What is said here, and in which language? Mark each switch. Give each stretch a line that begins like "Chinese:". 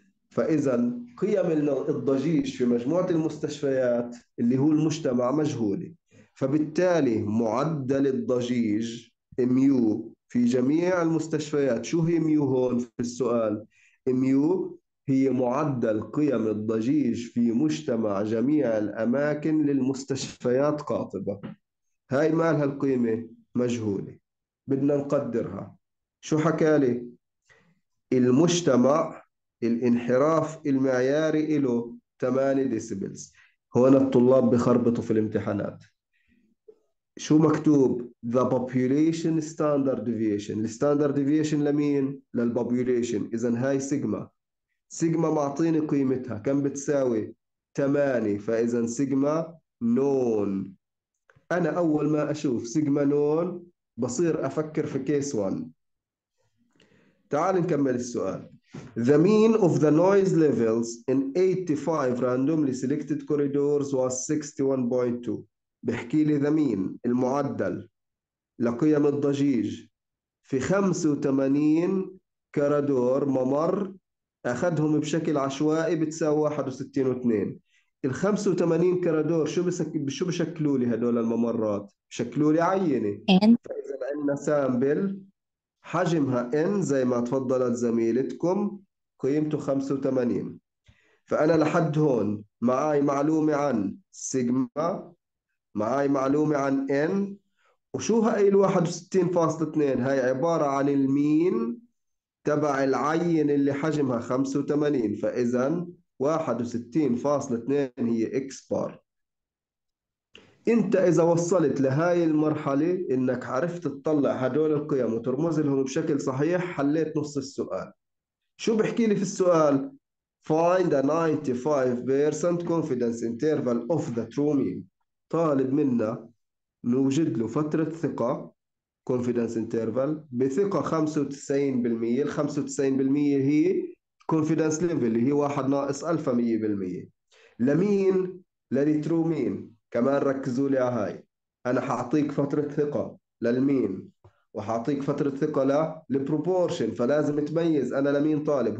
Arabic: فإذا قيم الضجيج في مجموعة المستشفيات اللي هو المجتمع مجهولة، فبالتالي معدل الضجيج ميو في جميع المستشفيات، شو هي ميو هون في السؤال؟ ميو هي معدل قيم الضجيج في مجتمع جميع الأماكن للمستشفيات قاطبة. هاي مالها القيمة؟ مجهولة، بدنا نقدرها. شو حكالي؟ المجتمع الانحراف المعياري له 8 ديسيبلز. هون الطلاب بخربطوا في الامتحانات. شو مكتوب؟
English: The population standard deviation.
Arabic: الستاندرد ديفيشن لمين؟ للبوبوليشن. إذا هاي سيجما، سيجما معطيني قيمتها كم بتساوي؟ 8. فإذا سيجما نون. أنا أول ما أشوف سيجما نون بصير أفكر في كيس 1. تعال نكمل السؤال.
English: The mean of the noise levels in 85 randomly selected corridors was 61.2.
Arabic: بحكي لي ذا مين المعدل لقيم الضجيج في 85 كرادور ممر أخذهم بشكل عشوائي بتساوي 61.2. ال 85 كرادور شو بشكلوا لي هدول الممرات؟ بشكلوا لي عينة. فإذا عندنا سامبل حجمها N زي ما تفضلت زميلتكم قيمته 85. فأنا لحد هون معاي معلومة عن سيجما، معاي معلومة عن N، وشو هاي ال 61.2؟ هاي عبارة عن المين تبع العين اللي حجمها 85. فإذا 61.2 هي اكس بار. انت اذا وصلت لهاي المرحلة انك عرفت تطلع هدول القيم وترمز لهم بشكل صحيح، حليت نص السؤال. شو بحكي لي في السؤال؟
English: Find a 95% confidence interval of the true mean.
Arabic: طالب منا نوجد له فترة ثقة confidence interval بثقة 95%. ال 95% هي confidence level اللي هي 1 ناقص ألفا 100%. لمين؟ للترو مين. كمان ركزوا لي على هاي، أنا حأعطيك فترة ثقة للمين وحأعطيك فترة ثقة للبروبورشن، فلازم تميز أنا لمين طالب.